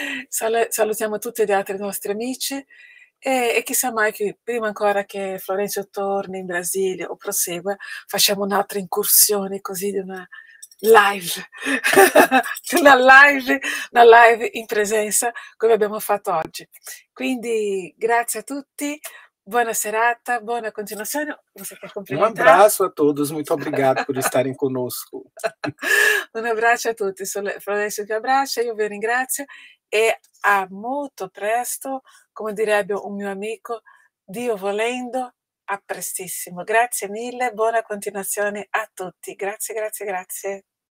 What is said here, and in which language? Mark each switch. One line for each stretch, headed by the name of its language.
Italian: Salutiamo tutti gli altri nostri amici. E chissà mai che prima ancora che Florenzo torni in Brasile o prosegua, facciamo un'altra incursione così di una live, una live in presenza come abbiamo fatto oggi. Quindi grazie a tutti, buona serata, buona continuazione, non so che
Portuguese: Um
Italian: complimentare.
Portuguese: abraço a todos, muito obrigado por estarem conosco.
Italian: Un abbraccio a tutti, Florenzo ti abbraccia, io vi ringrazio e a molto presto, come direbbe un mio amico, Dio volendo, a prestissimo. Grazie mille, buona continuazione a tutti. Grazie, grazie, grazie.